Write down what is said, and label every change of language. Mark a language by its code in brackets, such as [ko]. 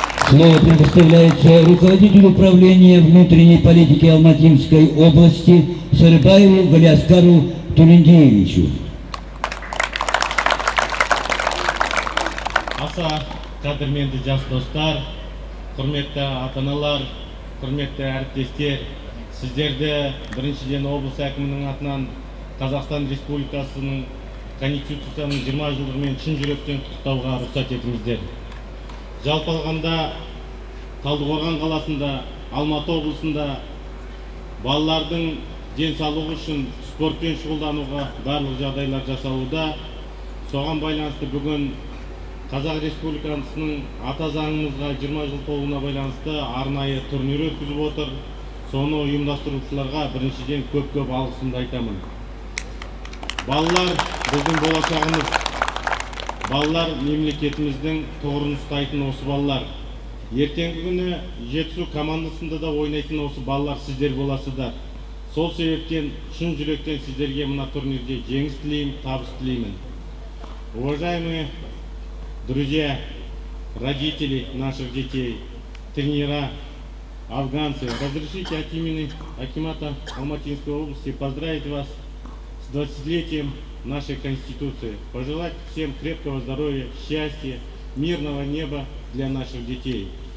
[ru] Я предоставляю слово руководителю управления внутренней политики Алматинской области Сарыбаеву Валиаскару Тулендиевичу. [kk] Аса, кадрменді жас достар, құрметті ата-аналар, құрметті әріптестер, сіздерді біріншіден облыс әкімінің атынан Қазақстан Республикасының Конституцияның 20 жылдығымен шын жүректен құттықтауға рұқсат етіңіздер. Жалпы алғанда Талдықорған қаласында, Алматы облысында балалардың денсаулығы үшін спортпен шұғылдануға барлық жағдайлар жасалуда. Соған байланысты бүгін Қазақ Республикасының ата заңымызға 20 жыл толуына байланысты арнайы турнир өткізіп отыр. Соны ұйымдастырушыларға біріншіден көп-көп алғысымды айтамын. Балалар біздің болашағымыз. Балалар мемлекетіміздің тұғырын ұстайтын осы балалар. Ертеңгі күні Жетісу командасында да ойнайтын осы балалар сіздер боласыздар. Сол себептен шын жүректен сіздерге мына турнирде жеңіс тілеймін, табыс тілеймін. [ru] Уважаемые друзья, родители наших детей, тренера, афганцы, разрешите от имени Акимата Алматинской области поздравить вас с 20-летием нашей Конституции. Пожелать всем крепкого здоровья, счастья, мирного неба для наших детей.